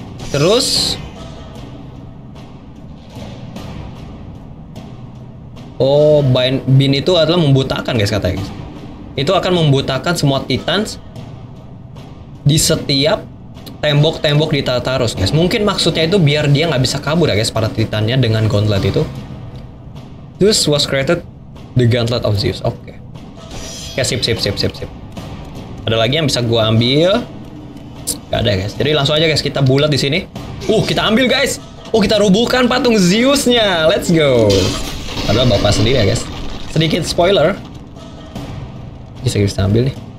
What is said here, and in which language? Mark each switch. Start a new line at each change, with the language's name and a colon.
Indonesian: Terus Bin itu adalah membutakan, guys, katanya. Itu akan membutakan semua Titans di setiap tembok-tembok di Tartarus, guys. Mungkin maksudnya itu biar dia nggak bisa kabur ya, guys, para Titannya dengan gauntlet itu.
English: This was created the Gauntlet of Zeus.
Indonesian: Oke. Okay. Ya, sip. Ada lagi yang bisa gua ambil? Gak ada, guys. Jadi langsung aja, guys, kita bulat di sini. Kita ambil, guys. Kita rubuhkan patung Zeus-nya.
English: Let's go.
Indonesian: Padahal bapak sendiri ya, guys. Sedikit spoiler. Bisa ambil nih.